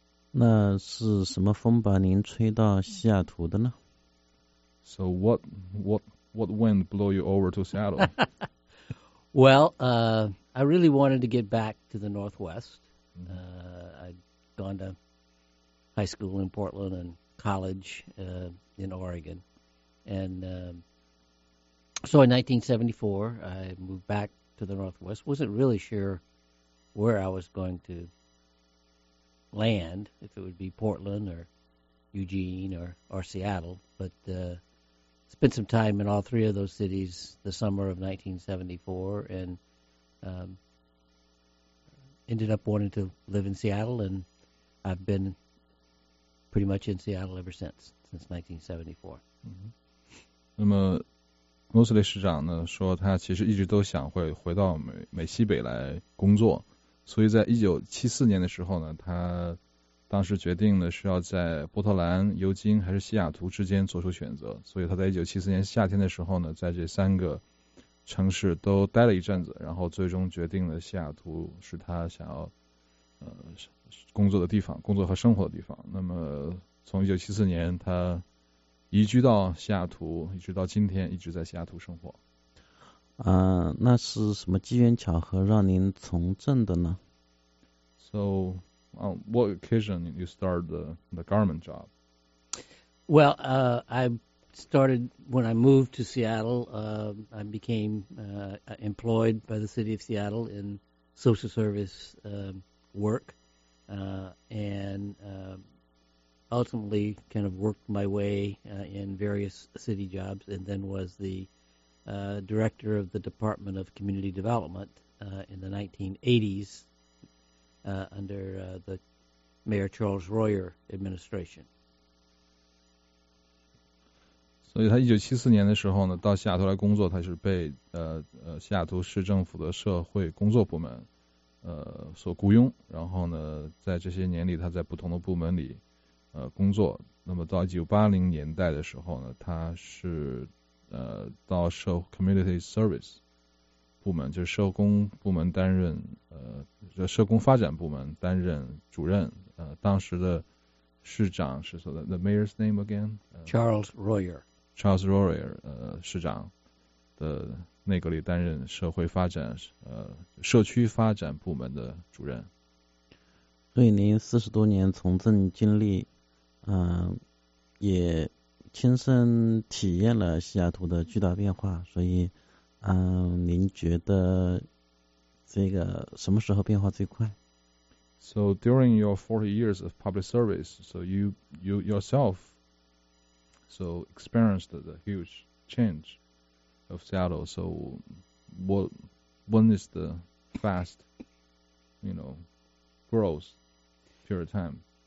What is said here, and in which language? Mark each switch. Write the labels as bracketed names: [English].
[Chinese] 那是什么风把您吹到西雅图的呢？ [English] So what wind blow you over to Seattle? Well, I really wanted to get back to the Northwest. I'd gone to high school in Portland and college in Oregon. And so in 1974, I moved back to the Northwest. Wasn't really sure where I was going to land, if it would be Portland or Eugene or Seattle. But spent some time in all three of those cities the summer of 1974 and ended up wanting to live in Seattle, and I've been pretty much in Seattle ever since 1974. [Chinese] 那么 Mosley 市长呢说他其实一直都想会回到美西北来工作，所以在1974年的时候呢，他当时决定呢是要在波特兰、尤金还是西雅图之间做出选择，所以他在1974年夏天的时候呢，在这三个城市都待了一阵子，然后最终决定了西雅图是他想要工作的地方，工作和生活的地方。那么从1974年他移居到西雅图，一直到今天一直在西雅图生活。那是什么机缘巧合让您从政的呢？ [English] So on what occasion did you start the garment job? Well, I started when I moved to Seattle. I became employed by the city of Seattle in social service work, and ultimately kind of worked my way in various city jobs, and then was the director of the Department of Community Development in the 1980s under the Mayor Charles Royer administration. [Chinese] 所以他1974年的时候呢到西雅图来工作，他是被西雅图市政府的社会工作部门所雇佣，然后呢在这些年里他在不同的部门里工作。那么到1980年代的时候呢，他是到社会 [English] community service [Chinese] 部门，就是社工部门担任社工发展部门担任主任。当时的市长是说的 [English] the mayor's name again [Chinese] Charles Royer。 Charles Royer 市长的内阁里担任社会发展社区发展部门的主任。对，您四十多年从政经历也亲身体验了西雅图的巨大变化，所以您觉得这个什么时候变化最快？ [English] So during your 40 years of public service, so you yourselself. So experienced the huge change of Seattle. So when is the fast, growth period of time?